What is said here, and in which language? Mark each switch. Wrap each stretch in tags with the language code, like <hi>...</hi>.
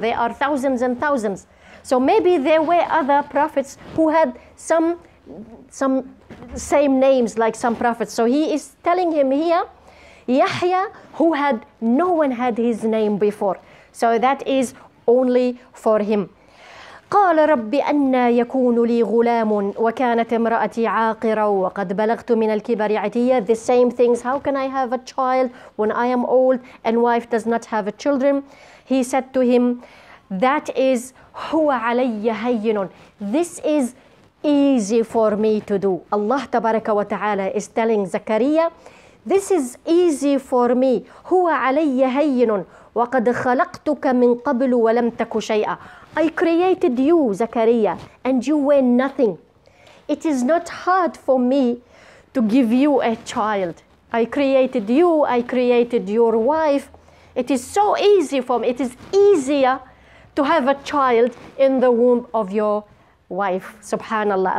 <en>They are thousands and thousands. So maybe there were other prophets who had some same names like some prophets. So he is telling him here, Yahya, who had no one had his name before. So that is only for him.</en> <ar>قال ربي أن يكون لي غلام وكانت امرأتي عاقرة وقد بلغت من الكبر عتيا.</ar> <en>The same things. How can I have a child when I am old and wife does not have children? He said to him, that is</en> <ar>هو علي هين.</ar> <en>This is easy for me to do. Allah تبارك وتعالى is telling زكريا, this is easy for me.</en> <ar>هو علي هين وقد خلقتك من قبل ولم تك شيئا.</ar> <en>I created you, Zakariya, and you were nothing. It is not hard for me to give you a child. I created you, I created your wife. It is so easy for me. It is easier to have a child in the womb of your wife, subhanallah.</en>